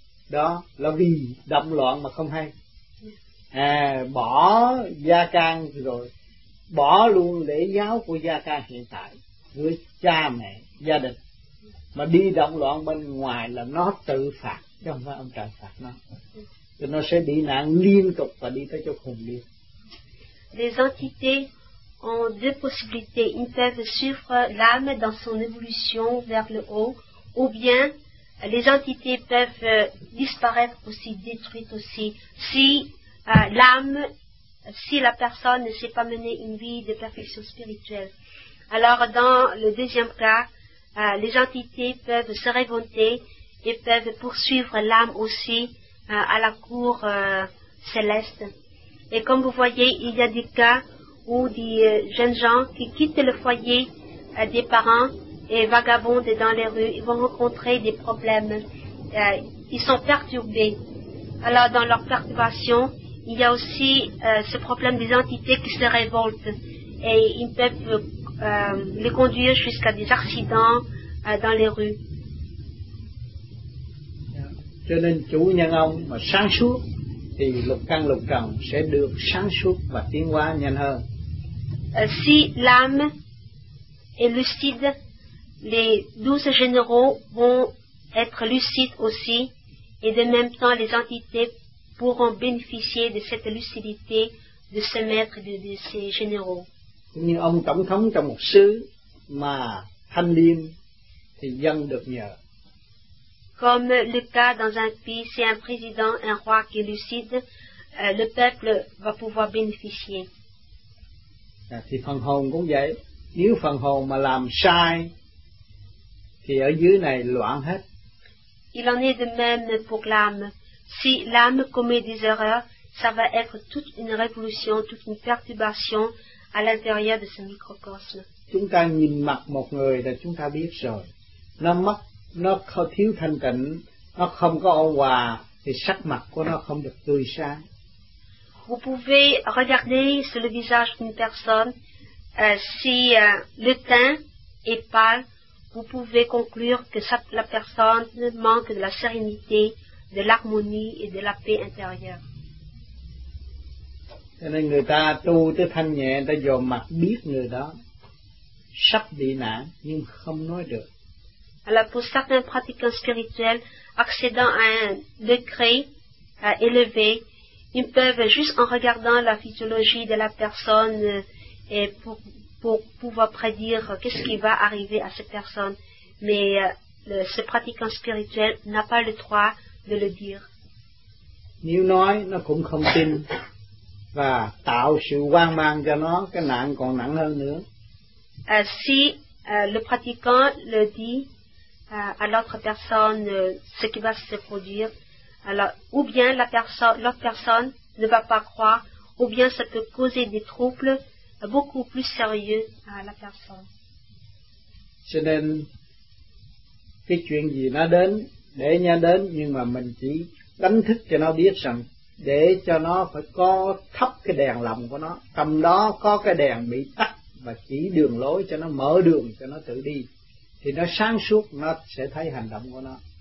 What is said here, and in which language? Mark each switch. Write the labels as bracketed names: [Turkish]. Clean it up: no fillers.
[Vietnamese] Đó là vì động loạn mà không hay. Bỏ gia can rồi, bỏ luôn lễ giáo của gia can hiện tại với cha mẹ, gia đình, mà đi động loạn bên ngoài là nó tự phạt, chứ không phải ông trời phạt nó. Thì nó sẽ bị nạn liên tục và đi tới chỗ khùng liên. [French] Les entités ont deux possibilités. Ils peuvent suivre l'âme dans son évolution vers le haut, ou bien les entités peuvent disparaître aussi, détruites aussi. Si l'âme, si la personne ne sait pas mener une vie de perfection spirituelle. Alors, dans le deuxième cas, les entités peuvent se révolter et peuvent poursuivre l'âme aussi à la cour céleste. Et comme vous voyez, il y a des cas où des jeunes gens qui quittent le foyer des parents et vagabondent dans les rues, ils vont rencontrer des problèmes. Ils sont perturbés. Alors, dans leur perturbation, il y a aussi ce problème des entités qui se révoltent et ils peuvent les conduire jusqu'à des accidents dans les rues. [Vietnamese] Cho nên chủ nhân ông mà sáng suốt thì lục căn sẽ được sáng suốt và tiến hóa nhanh hơn. [French] Si l'âme est lucide, les 12 généraux vont être lucides aussi et de même temps les entités pourront bénéficier de cette lucidité de ce maître et de ses généraux. [Vietnamese] Như ông tổng thống trong một xứ mà thanh liêm thì dân được nhờ. [French] Comme le cas dans un pays, c'est un président, un roi qui est lucide, le peuple va pouvoir bénéficier. [Vietnamese] Thì phần hồn cũng vậy. Nếu phần hồn mà làm sai, thì ở dưới này loạn hết. [French] Il en est de même pour l'âme. Si l'âme commet des erreurs, ça va être toute une révolution, toute une perturbation à l'intérieur de ce microcosme. [Vietnamese] Chúng ta nhìn mặt một người là chúng ta biết rồi. Nó mất, nó không thiếu thanh tịnh, nó không có ôn hòa, thì sắc mặt của nó không được tươi sáng. [French] Vous pouvez regarder sur le visage d'une personne, si le teint est pâle, vous pouvez conclure que la personne manque de la sérénité, de l'harmonie et de la paix intérieure. [Vietnamese] Cho nên người ta tu tới thanh nhẹ, người ta dò mặt biết người đó sắp bị nạn nhưng không nói được. [French] Alors pour certains pratiquants spirituels accédant à un degré élevé, ils peuvent juste en regardant la physiologie de la personne et pour pouvoir prédire qu'est-ce qui va arriver à cette personne. Mais ce pratiquant spirituel n'a pas le droit de le dire. [Vietnamese] Nếu nói, nó cũng không tin và tạo sự hoang mang cho nó, cái nạn còn nặng hơn nữa. [French] Si le pratiquant le dit à l'autre personne ce qui va se produire, alors ou bien l'autre personne ne va pas croire, ou bien ça peut causer des troubles beaucoup plus sérieux à la personne. [Vietnamese] Cho nên cái chuyện gì nó đến để nhanh đến, nhưng mà mình chỉ đánh thức cho nó biết rằng để cho nó phải có thắp cái đèn lòng của nó, tâm đó có cái đèn bị tắt và chỉ đường lối cho nó, mở đường cho nó tự đi, thì nó sáng suốt, nó sẽ thấy hành động của nó.